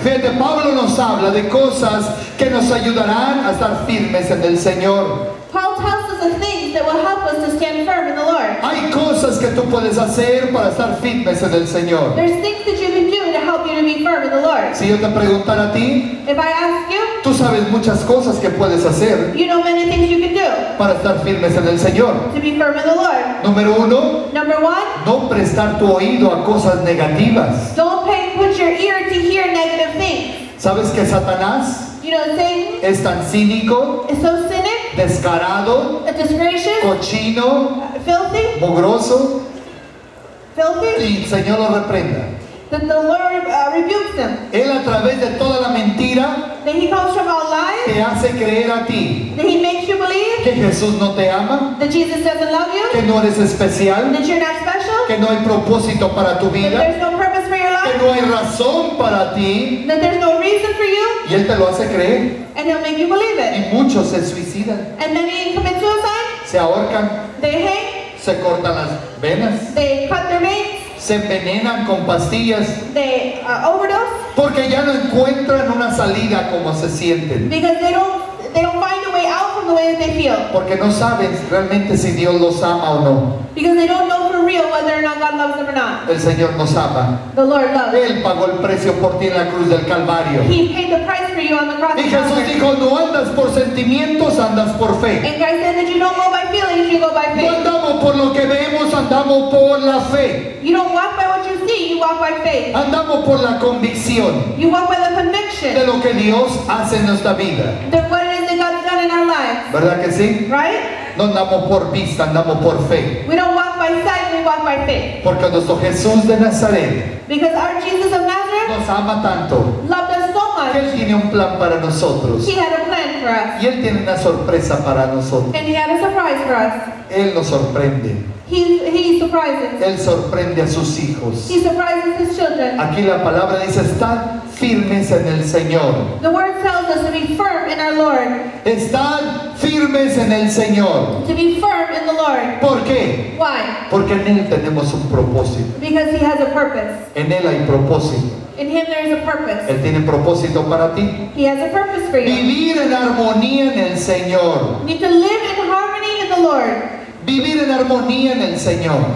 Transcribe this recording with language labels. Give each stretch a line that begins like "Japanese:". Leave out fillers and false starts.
Spanish: Fíjate, Pablo nos habla de cosas que nos ayudarán a estar firmes en el Señor.
English: Paul tells us the things that will help us to stand firm in the Lord.
Spanish: Hay cosas que tú puedes hacer para estar firmes en el Señor.
English: There's things that you can do to help you to be firm in the Lord.
Spanish: Si yo te preguntara a ti,
English: if I ask you,
Spanish: tú sabes muchas cosas que puedes hacer,
English: you know many things you can do
Spanish: para estar firmes en el Señor.
English: To be firm in the Lord.
Spanish: Número uno,
English: number one,
Spanish: no prestar tu oído a cosas negativas.
English: Don't pay, put your ear to hear negative things.
Spanish: ¿Sabes que Satanás,
English: you know, Satan
Spanish: es tan cínico,
English: is so cynic,
Spanish: descarado, cochino,
English: filthy,
Spanish: mugroso,
English: filthy,
Spanish: y el Señor lo reprenda.
English: That the Lord rebukes him.
Spanish: Él a través de toda la mentira,
English: that he comes from all lies,
Spanish: te hace creer a ti,
English: that he makes you believe,
Spanish: que Jesús no te ama,
English: that Jesus doesn't love you,
Spanish: que no eres especial,
English: that you're not special,
Spanish: que no hay propósito para tu vida,
English: that there's no purpose for your life,
Spanish: que no hay razón para ti,
English: that there's no reason for you,
Spanish: y Él te lo hace creer,
English: and he'll make you believe it.
Spanish: Y muchos se suicidan,
English: and many commit suicide,
Spanish: se ahorcan,
English: they hang,
Spanish: se cortan las venas,
English: they cut their veins,
Spanish: se envenenan con pastillas.
English: They overdose.
Spanish: Porque ya no encuentran una salida como se sienten.
English: Because they don't find a way out from the way that they feel.
Spanish: Porque no saben realmente si Dios los ama o no.
English: Because they don't know for real whether or not God loves them or not.
Spanish: El Señor nos ama.
English: The Lord loves.
Spanish: Él pagó el precio por ti en la cruz del Calvario.
English: He paid the price for you on the cross.
Spanish: Y Jesús dijo, no andas por sentimientos, andas por fe.
English: And God said that you don't go by feelings, you go by faith.
Spanish: No andamos por lo que vemos, andamos por la fe.
English: You don't walk by what you see, you walk by faith.
Spanish: Andamos por la convicción.
English: You walk by the conviction.
Spanish: De lo que Dios hace en nuestra vida.
English: The what it is that God's done in our lives.
Spanish: ¿Verdad que sí?
English: Right?
Spanish: No andamos por vista, andamos por fe.
English: We don't walk by sight, we walk by faith.
Spanish: Porque nuestro Jesús de Nazaret,
English: because our Jesus of Nazareth,
Spanish: nos ama tanto,
English: loved us so much,
Spanish: que Él tiene un plan para nosotros.
English: He had a plan for us.
Spanish: Y Él tiene una sorpresa para nosotros.
English: And He had a surprise for us.
Spanish: Él nos sorprende.
English: He surprises.
Spanish: Él sorprende a sus hijos.
English: He surprises his children.
Spanish: Aquí la palabra dice, estad firmes en el Señor.
English: The word tells us to be firm in our Lord.
Spanish: Estad firmes en el Señor.
English: To be firm in the Lord.
Spanish: ¿Por qué?
English: Why?
Spanish: Porque en Él tenemos un propósito.
English: Because He has a purpose.
Spanish: En Él hay propósito.
English: In Him there is a purpose.
Spanish: Él tiene propósito para ti.
English: He has a purpose for you.
Spanish: Vivir en armonía en el Señor.
English: You need to live in harmony in the Lord.
Spanish: Vivir en armonía en el Señor.